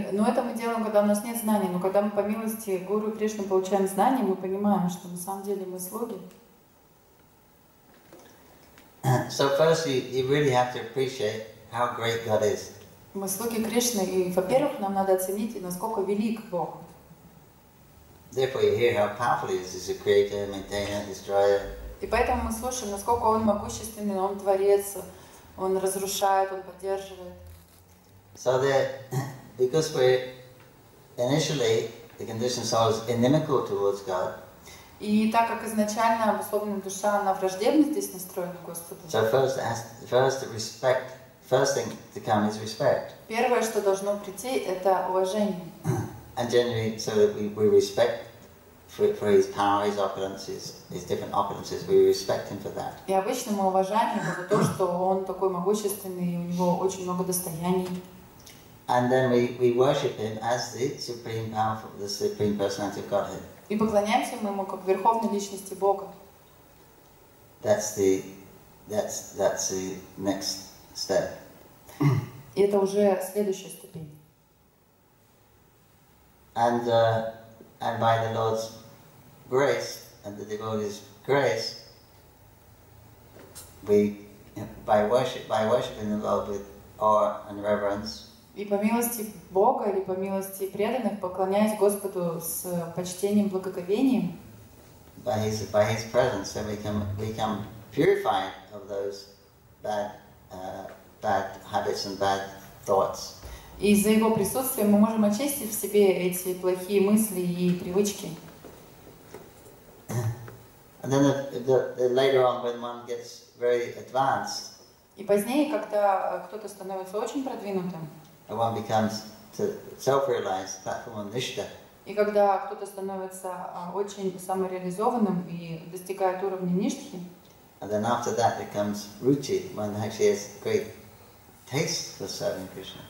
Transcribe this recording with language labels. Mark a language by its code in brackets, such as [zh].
[ru] Это мы делаем, когда у нас нет знаний, но когда мы по милости Гуру Кришны получаем знания, мы понимаем, что на самом деле мы слуги. [en] So first you really have to appreciate how great God is. [ru] Мы слуги Кришны, и, во-первых, нам надо оценить, насколько велик Бог. [en] Therefore, you hear how powerful he is. He's a creator, maintainer, destroyer. [ru] И поэтому мы слушаем, насколько он могущественный, он творец, он разрушает, он поддерживает. [en] So that, because we initially the conditioned soul is inimical towards God. [ru] И так как изначально обусловленная душа на враждебность настроена к Господу. [en] So first respect. First thing to come is respect. [ru] Первое, что должно прийти, это уважение. [en] And generally, so that we respect for his power, his opulences, his different opulences, we respect him for that. [ru] И обычно мы уважаем его за то, что он такой могущественный и у него очень много достояний. [en] And then we worship him as the supreme power, the supreme personality of Godhead. [ru] И поклоняемся мы ему как верховной личности Бога. [en] That's the next step. [ru] И это уже следующая ступень. [en] And And by the Lord's grace and the devotee's grace, we by worshiping the Lord with awe and reverence. [ru] И по милости Бога или по милости преданных поклоняясь Господу с почтением, благоговением. [en] By his presence, so we become purified of those bad habits and bad thoughts. [ru] И из-за его присутствия мы можем очистить в себе эти плохие мысли и привычки. [en] And then the later on, when one gets very advanced. [ru] И позднее, когда кто-то становится очень продвинутым. [en] And one becomes self-realized, that from Anishta. [ru] И когда кто-то становится очень самореализованным и достигает уровня ништхи. [en] And then after that becomes ruchi, when one actually has great taste for serving Krishna.